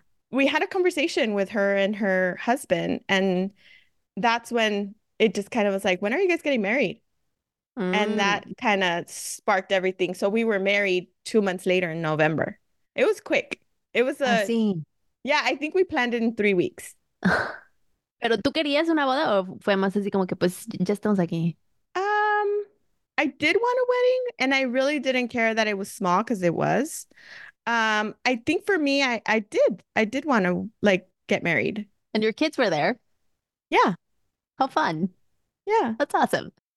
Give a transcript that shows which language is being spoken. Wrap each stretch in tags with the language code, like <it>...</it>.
<en>We had a conversation with her and her husband. And that's when it just kind of was like, when are you guys getting married? And that kind of sparked everything. So we were married 2 months later in November. It was quick. It was a... I see. Yeah, I think we planned it in 3 weeks.</en> <es>¿Pero tú querías una boda o fue más así como que pues ya estamos aquí?</es> <en>I did want a wedding and I really didn't care that it was small because it was. I think for me, I did want to like get married. And your kids were there? Yeah. How fun. Yeah. That's awesome.</en>